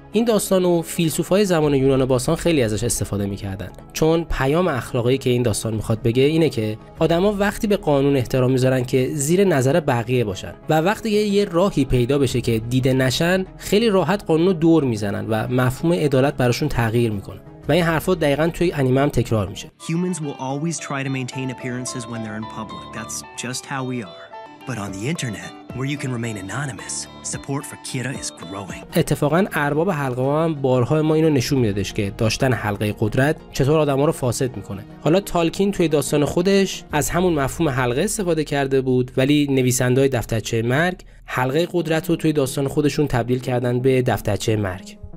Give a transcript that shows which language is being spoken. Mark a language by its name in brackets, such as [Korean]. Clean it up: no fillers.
[Persian] این داستانو فیلسوفای زمان یونان باستان خیلی ازش استفاده میکردن، چون پیام اخلاقی که این داستان میخواد بگه اینه که آدما وقتی به قانون احترام میذارن که زیر نظر بقیه باشن و وقتی یه راهی پیدا بشه که دیده نشن، خیلی راحت قانونو دور میزنن و مفهوم عدالت براشون تغییر میکنه. و این حرفا دقیقا توی انیمه هم تکرار میشه. [English] Humans will always try to maintain appearances when they're in public. That's just how we are. But on the internet, where you can remain anonymous, support for Kira is growing. [Persian] اتفاقا ارباب حلقه هم بارها ما اینو نشون میدادش که داشتن حلقه قدرت چطور آدما رو فاسد میکنه. حالا تالکین توی داستان خودش از همون مفهوم حلقه استفاده کرده بود، ولی نویسنده‌های دفترچه مرگ حلقه قدرت رو توی داستان خودشون تبدیل کردن به دفترچه مرگ.